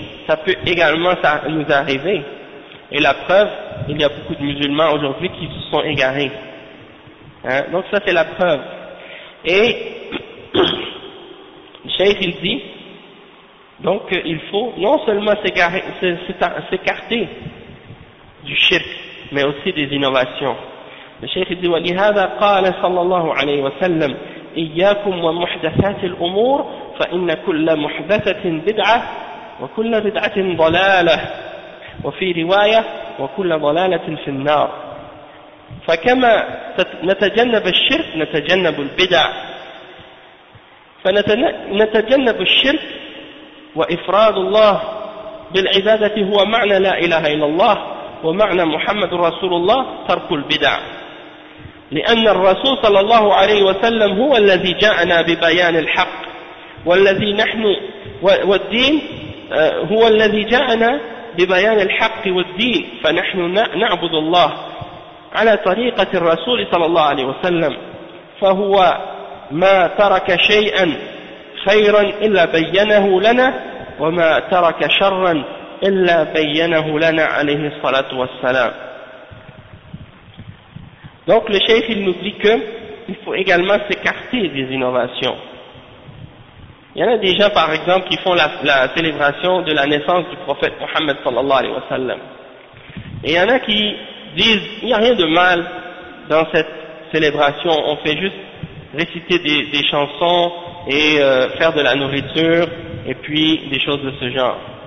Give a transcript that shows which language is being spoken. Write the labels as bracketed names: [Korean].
[French] Ça peut également ça nous arriver. Et la preuve, il y a beaucoup de musulmans aujourd'hui qui se sont égarés. Hein? Donc ça c'est la preuve. Et le cheikh il dit, donc il faut non seulement s'écarter du shirk, mais aussi des innovations. Le cheikh il dit, [Arabic] وَلِهَذَا قَالَ صَلَّى اللَّهُ عَلَيْهِ وَسَلَّمْ إِيَّاكُمْ وَمُحْدَثَاتِ الْأُمُورِ فَإِنَّ كُلَّ مُحْدَثَةٍ بِدْعَةٍ وكل بدعة ضلالة وفي رواية وكل ضلالة في النار فكما نتجنب الشرك نتجنب البدع فنتجنب الشرك وإفراد الله بالعبادة هو معنى لا إله إلا الله ومعنى محمد رسول الله ترك البدع لأن الرسول صلى الله عليه وسلم هو الذي جاءنا ببيان الحق والذي نحن والدين هو الذي جاءنا ببيان الحق والدين فنحن نعبد الله على طريقة الرسول صلى الله عليه وسلم فهو ما ترك شيئا خيرا إلا بينه لنا وما ترك شرا إلا بينه لنا عليه الصلاة والسلام. [French] Donc le cheikh il nous dit que il faut également s'écarter des innovations. Il y en a des gens, par exemple, qui font la célébration de la naissance du prophète Mohammed sallallahu alayhi wa sallam. Et il y en a qui disent, il n'y a rien de mal dans cette célébration, on fait juste réciter des chansons et faire de la nourriture et puis des choses de ce genre.